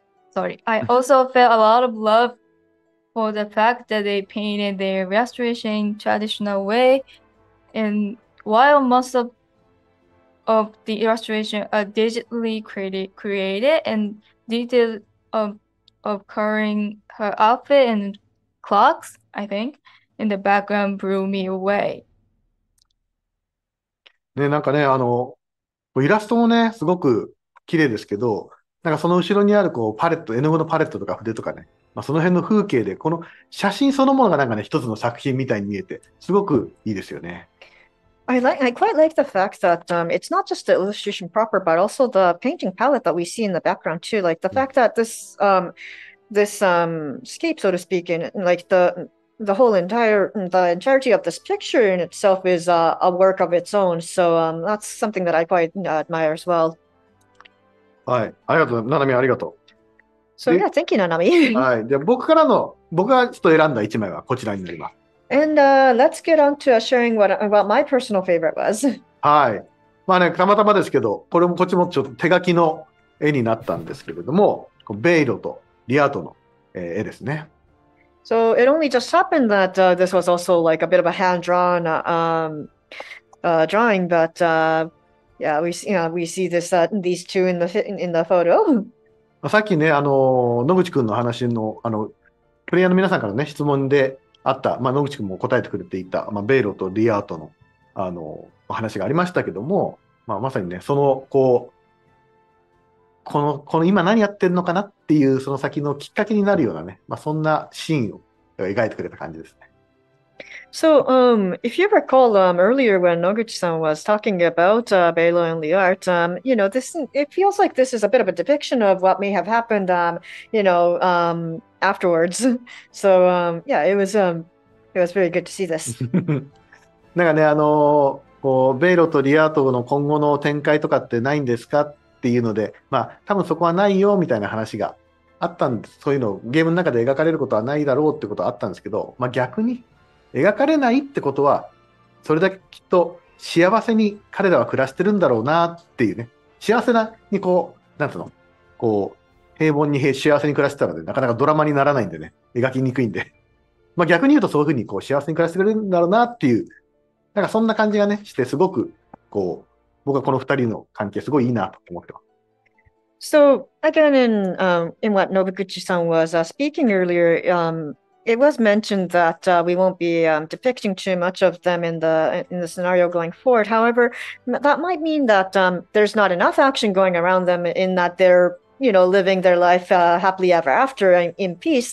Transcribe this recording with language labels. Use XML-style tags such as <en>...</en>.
<en>Sorry. I also felt a lot of love for the fact that they painted their restoration traditional way, and while most of the illustration are digitally created and detail of covering her outfit and clocks, I think, in the background blew me away.</en> <ja>ね、なんかね、あの、イラストもね、すごく綺麗ですけど、なんかその後ろにあるこうパレット、絵の具のパレットとか筆とかね、まあ、その辺の風景で、この写真そのものがなんかね、一つの作品みたいに見えて、すごくいいですよね。</ja> <en>I quite like the fact that it's not just the illustration proper, but also the painting palette that we see in the background too. Like the fact that this this scape, so to speak, and like the entirety of this picture in itself is a work of its own. So that's something that I quite admire as well.</en> <ja>はい、ありがとう、ナナミ、ありがとう。</ja> <en>So yeah, thank you, Nanami.</en> <ja>はい、で僕からの僕がちょっと選んだ一枚はこちらになります。</ja> <en>And let's get on to sharing what my personal favorite was.</en> <ja>はい。まあね、たまたまですけど、これもこっちもちょっと手書きの絵になったんですけれども、ベイロとリアトの絵ですね。</ja> <en>So it only just happened that this was also like a bit of a hand-drawn drawing, but we see these two in the photo.</en> <ja>さっきね、野口くんの話の、プレイヤーの皆さんからね、質問で、あった、まあ、野口くんも答えてくれていた、まあ、ベイロとリアートの、お話がありましたけども、まあ、まさにね、その、こう、この今何やってるのかなっていう、その先のきっかけになるようなね、まあ、そんなシーンを描いてくれた感じですね。</ja> <en>So, if you recall, earlier when Noguchi-san was talking about Beilo and Liart, you know, this, it feels like this is a bit of a depiction of what may have happened, afterwards. So, it was very good to see this.</en> <ja>なんかね、こう、ベイロとリアートの今後の展開とかってないんですかっていうので、まあ、多分そこはないよみたいな話があったんです。そういうのゲームの中で描かれることはないだろうってことはあったんですけど、まあ逆に。描かれないってことは、それだけきっと幸せに彼らは暮らしてるんだろうなっていうね、幸せなにこう、なんていうの、こう、平凡に幸せに暮らしてたらね、なかなかドラマにならないんでね、描きにくいんで、まあ逆に言うと、そういうふうにこう幸せに暮らしてくれるんだろうなっていう、なんかそんな感じがね、して、すごくこう、僕はこの2人の関係、すごいいいなと思ってます。</ja> <en>So, again, in what Nobukuchi-san was speaking earlier, It was mentioned that we won't be depicting too much of them in the scenario going forward. However, that might mean that there's not enough action going around them in that they're, you know, living their life happily ever after in peace.</en>